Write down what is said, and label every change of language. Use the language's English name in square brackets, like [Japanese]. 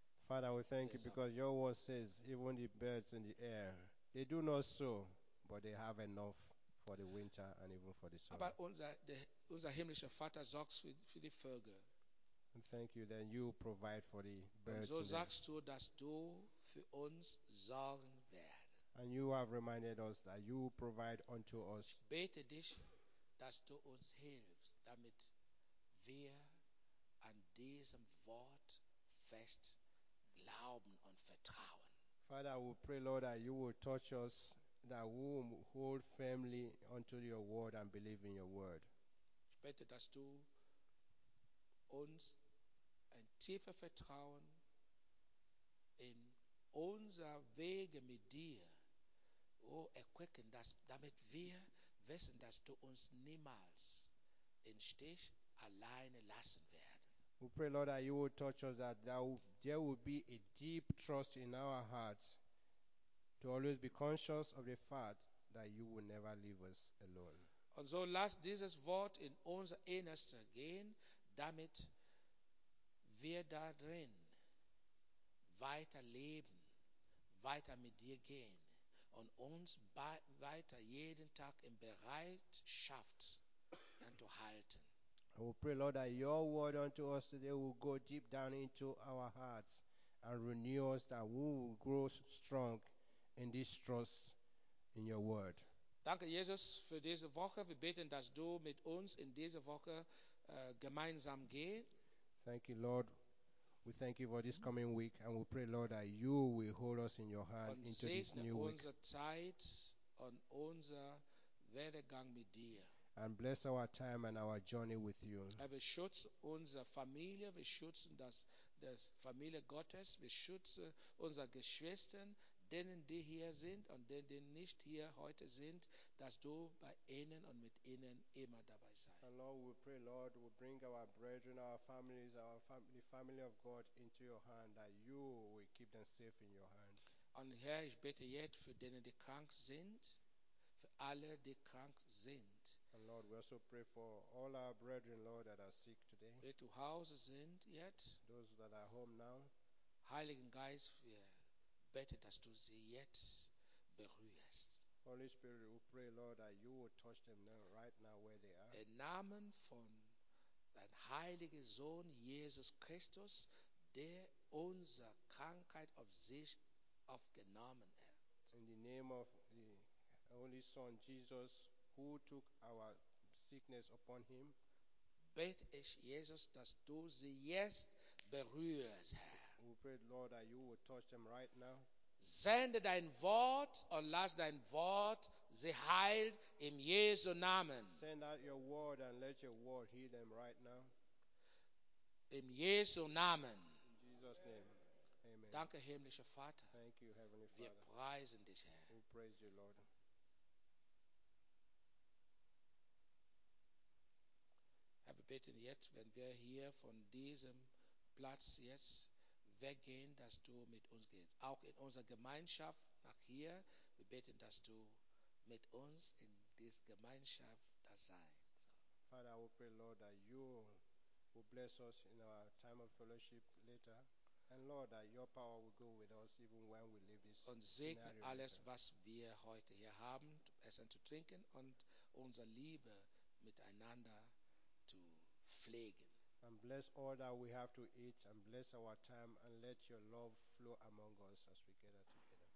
[English] Father, we thank you because your word says even the birds in the air, they do not sow, but they have enough for the winter and even for the summer. [German] Aber unser himmlischer Vater sorgt für die Vögel. [English] And thank you, then you provide for the birds. [German] Und so sagst du, dass du für uns sorgen wirst. [English] And you have reminded us that you provide unto us. [German] Ich bete dich, dass du uns hilfst, damit wir an diesem Wort fest glauben und vertrauen. [English] Father, we pray, Lord, that you will touch us, that we will hold firmly unto your word and believe in your word. [German] Ich bete, dass du uns ein tiefes Vertrauen in unser Wege mit dir erquicken, damit wir wissen, dass du uns niemals im Stich alleine lassen werden. [English] We pray, Lord, that you will touch us, that there will be a deep trust in our hearts to always be conscious of the fact that you will never leave us alone. [German] Und so lass dieses Wort in unser Innerstes gehen, damit wir darin weiter leben, weiter mit dir gehen und uns weiter jeden Tag in Bereitschaft zu halten. [English] I will pray, Lord, that your word unto us today will go deep down into our hearts and renew us, that we will grow strong in this trust in your word. [German] Danke, Jesus, für diese Woche. Wir beten, dass du mit uns in dieser Woche gemeinsam gehst. [English] Thank you, Lord. We thank you for this coming week. And we pray, Lord, that you will hold us in your hand [German] und [English] into this new week. [German] Und segne unsere Zeit und unser Werdegang mit dir. [English] And bless our time and our journey with you. [German] Wir schützen unsere Familie. Wir schützen das Familie Gottes. Wir schützen unsere Geschwister, denen, die hier sind und denen, die nicht hier heute sind, dass du bei ihnen und mit ihnen immer dabei sei. [English] And Lord, we pray, Lord, we bring our brethren, our families, the family of God into your hand, that you will keep them safe in your hand. [German] Und Herr, ich bete jetzt für denen, die krank sind, für alle, die krank sind. [English] And Lord, we also pray for all our brethren, Lord, that are sick today. [German] Die zu Hause sind jetzt. [English] Those that are home now. [German] Heiligen Geist, wir bete, dass du sie jetzt berührst. [English] Holy Spirit, we pray, Lord, that you will touch them now, right now where they are. [German] Im Namen von dein heiliger Sohn Jesus Christus, der unsere Krankheit auf sich aufgenommen hat. [English] In the name of the only Son Jesus, who took our sickness upon him. [German] Bete ich, Jesus, dass du sie jetzt berührst, Herr. [English] We pray, Lord, that you will touch them right now. [German] Sende dein Wort und lass dein Wort sie heilt im Jesu Namen. [English] Send out your word and let your word heal them right now. [German] Im Jesu Namen. [English] In Jesus' name. Amen. [German] Danke, himmlischer Vater. [English] Thank you, Heavenly Father. [German] Wir preisen dich, Herr. [English] We praise you, Lord. [German] Herr, wir beten jetzt, wenn wir hier von diesem Platz jetzt weggehen, dass du mit uns gehst. Auch in unserer Gemeinschaft nach hier, wir beten, dass du mit uns in dieser Gemeinschaft da seid. [English] Father, we pray, Lord, that you will bless us in our time of fellowship later. And Lord, that your power will go with us even when we leave this. [German] Und segne alles, was wir heute hier haben, zu essen, zu trinken und unsere Liebe miteinander zu pflegen. [English] And bless all that we have to eat and bless our time and let your love flow among us as we gather together.